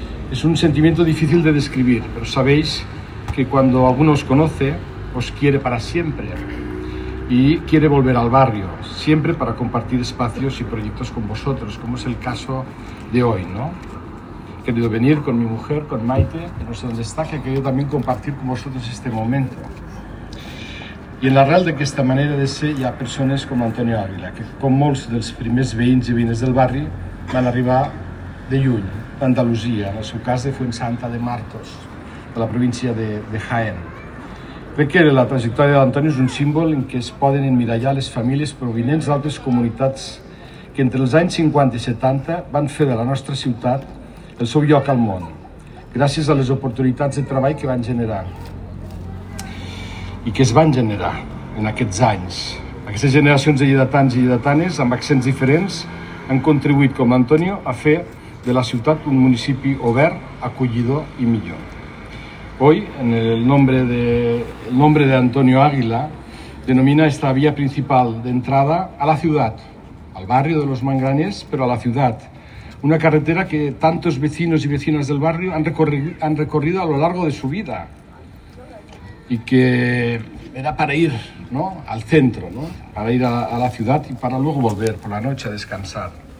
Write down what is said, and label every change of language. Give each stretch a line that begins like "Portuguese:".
Spanish: Es un sentimiento difícil de describir, pero sabéis que cuando alguno os conoce, os quiere para siempre y quiere volver al barrio, siempre para compartir espacios y proyectos con vosotros, como es el caso de hoy, ¿no? He querido venir con mi mujer, con Maite, que no sé dónde está, que he querido también compartir con vosotros este momento. Y en la real de esta manera de ser,
Catalan: hi ha persones com Antonio Ávila, que com molts dels primers veïns i veïnes del barri, van arribar de lluny, d'Andalusia, en el seu cas de Fuensanta de Martos, de la província de Jaén. Crec que la trajectòria d'Antonio és un símbol en què es poden emmirallar les famílies provenients d'altres comunitats que entre els anys 50 i 70 van fer de la nostra ciutat el seu lloc al món, gràcies a les oportunitats de treball que van generar i que es van generar en aquests anys. Aquestes generacions de lleidatans i lleidatanes, amb accents diferents, han contribuït, com Antonio, a fer de la ciutat un municipi obert, acollidor i millor.
Spanish: Hoy, en el nombre de Antonio Águila, denomina esta vía principal de entrada a la ciudad, al barrio de los Manglanes, pero a la ciudad. Una carretera que tantos vecinos y vecinas del barrio han recorrido a lo largo de su vida y que era para ir, ¿no?, al centro, ¿no?, para ir a la ciudad y para luego volver por la noche a descansar.